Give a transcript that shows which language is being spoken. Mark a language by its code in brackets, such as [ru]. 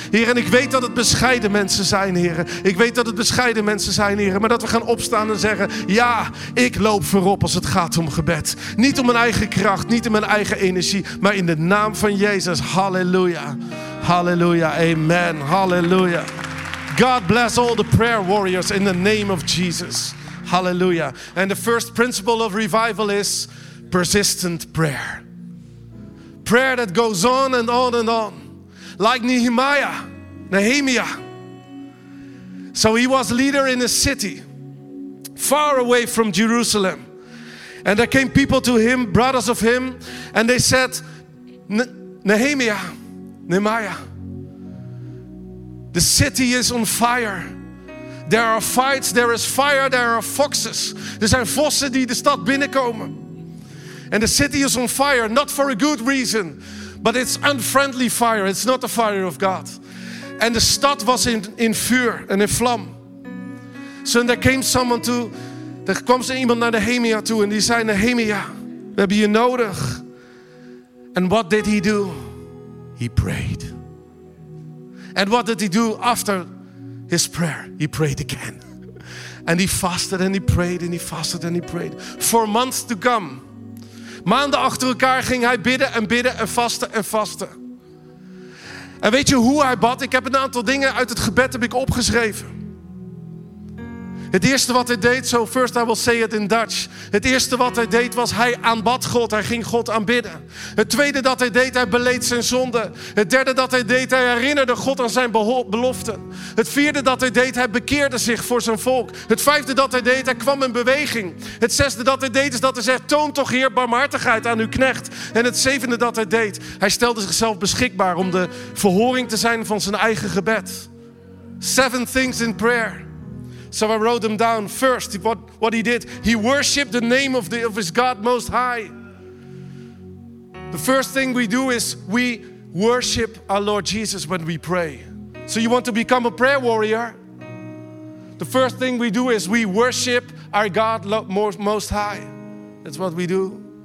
[nl] Heer, en ik weet dat het bescheiden mensen zijn, Heer. Ik weet dat het bescheiden mensen zijn, Heer. Maar dat we gaan opstaan en zeggen, ja, ik loop voorop als het gaat om gebed. Niet om mijn eigen kracht, niet om mijn eigen energie, maar in de naam van Jezus, halleluja, halleluja, amen, halleluja. [en] God bless all the prayer warriors in the name of Jesus, halleluja. And the first principle of revival is persistent prayer. Prayer that goes on and on and on. Like Nehemiah. So he was leader in a city, far away from Jerusalem. And there came people to him, brothers of him, and they said, Nehemiah, the city is on fire. There are fights, there is fire, there are foxes. [nl] Er zijn vossen die de stad binnenkomen. [en] And the city is on fire, not for a good reason, but it's unfriendly fire, it's not the fire of God. And the [nl] stad [en] was in [nl] vuur [en] and in [nl] vlam. [en] So there came someone to, there comes [nl] iemand naar Nehemiah toe [en] and he [nl] zei, [en] Nehemiah, [nl] we hebben je nodig. [en] And what did he do? He prayed. And what did he do after his prayer? He prayed again. And he fasted and he prayed and he fasted and he prayed. For months to come. [nl] Maanden achter elkaar ging hij bidden en bidden en vasten en vasten. En weet je hoe hij bad? Ik heb een aantal dingen uit het gebed heb ik opgeschreven. Het eerste wat hij deed, [en] so first I will say it in Dutch. [nl] Het eerste wat hij deed was hij aanbad God, hij ging God aanbidden. Het tweede dat hij deed, hij beleed zijn zonde. Het derde dat hij deed, hij herinnerde God aan zijn beloften. Het vierde dat hij deed, hij bekeerde zich voor zijn volk. Het vijfde dat hij deed, hij kwam in beweging. Het zesde dat hij deed is dat hij zegt, toon toch Heer barmhartigheid aan uw knecht. En het zevende dat hij deed, hij stelde zichzelf beschikbaar om de verhoring te zijn van zijn eigen gebed. [en] 7 things in prayer. So I wrote them down first, what he did. He worshiped the name of his God Most High. The first thing we do is we worship our Lord Jesus when we pray. So you want to become a prayer warrior? The first thing we do is we worship our God Most High. That's what we do.